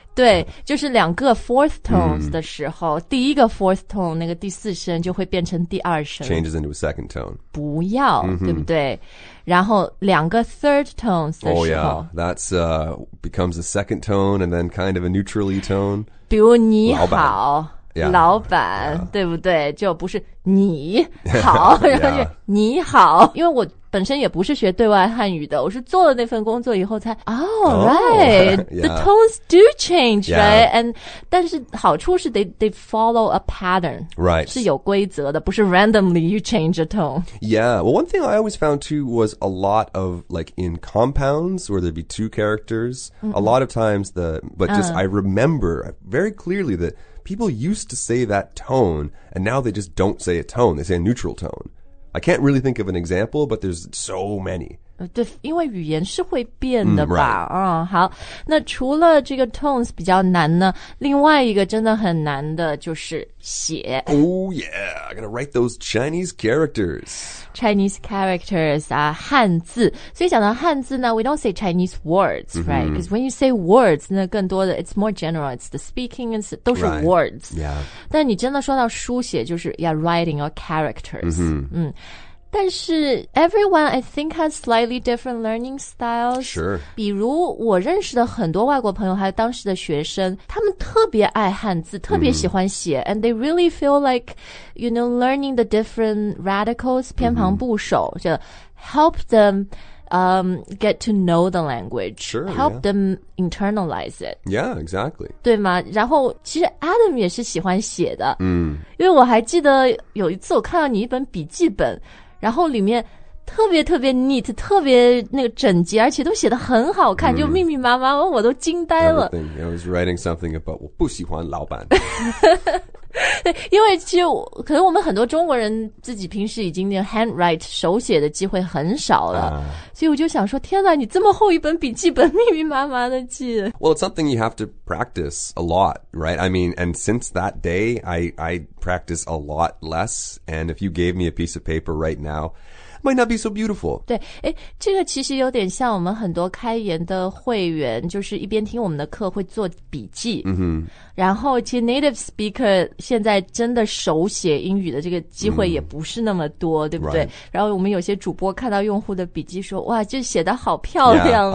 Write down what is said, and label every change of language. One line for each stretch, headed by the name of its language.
Chinese: 对就是两个 fourth tones 的时候、mm. 第一个 fourth tone 那个第四声就会变成第二声
English: Changes into a second tone
Chinese: 不要、mm-hmm. 对不对然后两个 third tones 的时候
English: Oh yeah That's becomes a second tone and then kind of a neutrally tone
Chinese: 比如你好老 板,、yeah. 老板
English: yeah.
Chinese: 对不对就不是你好然后就你好因为我本身也不是学对外汉语的我是做了那份工作以后才
English: Oh, right, yeah. The tones do change, yeah. right? And
Chinese: 但是好处是
English: they follow a pattern Right
Chinese: 是有规则的不是
English: randomly you change a tone Yeah, well one thing I always found too was a lot of like in compounds where there'd be two characters mm-hmm. A lot of times the But just I remember very clearly that people used to say that tone and now they just don't say a tone they say a neutral toneI can't really think of an example, but there's so many.
Chinese: 对，因为语言是会变的吧？
English: Mm, right.
Chinese: 嗯，好。那除了这个 tones 比较难呢，另外一个真的很难的就是写。
English: Oh yeah, I gotta write those Chinese characters. Chinese characters
Chinese: 啊，汉字。所以讲到汉字呢
English: ，we don't say Chinese words,、 mm-hmm. right? Because when you say words,
Chinese: 那更多的
English: it's more general. It's the speaking, it's
Chinese: 都是
English: words. Right. Yeah.
Chinese: 但你真的说到书写，就是
English: yeah, writing or characters.、 Mm-hmm. 嗯。
Chinese: 但是
English: everyone I think has slightly different learning styles. Sure.
Chinese: 比如我认识的很多外国朋友还有当时的学生他们特别爱汉字特别喜欢写、mm-hmm.
English: and they really feel like, you know, learning the different radicals,
Chinese: 偏旁部首、
English: mm-hmm. 就 help themget to know the language. Sure, help、 yeah. them internalize it. Yeah, exactly.
Chinese: 对吗？然后其实 Adam 也是喜欢写的。嗯、 mm.。因为我还记得有一次我看到你一本笔记本，然后里面特别特别 neat, 特别那个整洁，而且都写得很好看， mm. 就密密麻麻，我都惊呆了。
English: Everything. I was writing something about
Chinese: 我不喜欢老板。对，因为其实可能我们很多中国人自己平时已经那个 handwrite 手写的机会很少了、所以我就想说天哪你这么厚一本笔记本密密麻麻的记
English: Well it's something you have to practice a lot right I mean and since that day I practice a lot less and if you gave me a piece of paper right now might not be so beautiful
Chinese: 对这个其实有点像我们很多开言的会员就是一边听我们的课会做笔记嗯哼然后其实 native speaker 现在真的手写英语的这个机会也不是那么多、mm. 对不对、
English: right.
Chinese: 然后我们有些主播看到用户的笔记说哇这写得好漂亮哦